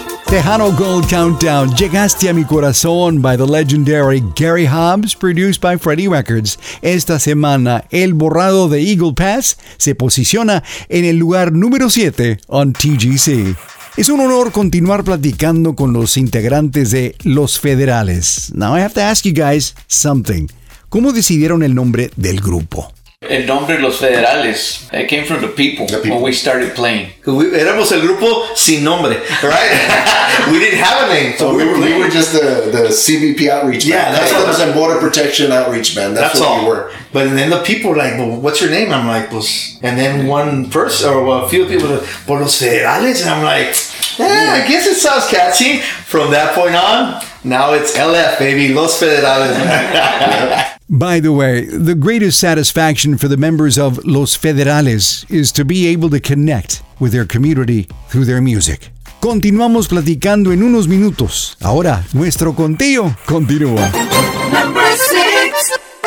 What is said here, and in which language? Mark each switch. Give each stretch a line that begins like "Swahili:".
English: Tejano Gold Countdown, Llegaste a mi corazón by the legendary Gary Hobbs, produced by Freddie Records.
Spanish: Esta semana, El Borrado de Eagle Pass se posiciona en el lugar número 7 on TGC. Es un honor continuar platicando con los integrantes de Los Federales.
English: Now I have to ask you guys something.
Spanish: ¿Cómo decidieron el nombre del grupo? El nombre
English: Los Federales, it came from the people when we started playing.
Spanish: Éramos el grupo sin nombre, right?
English: We didn't have a name. So we were just the CBP outreach band. Yeah, that's what it was. And Border Protection Outreach Band. That's what all. We were. But then the people were like, well, what's your name? I'm like, pues. And then one person, or a few people, were like, por Los Federales. And I'm like, yeah, I guess it sounds catchy. From that point on, now it's LF, baby, Los Federales. By the way, the greatest satisfaction for the members of Los Federales is to be able to connect with their community through their music.
Spanish: Continuamos platicando en unos minutos. Ahora, nuestro conteo continúa.
English: Number six.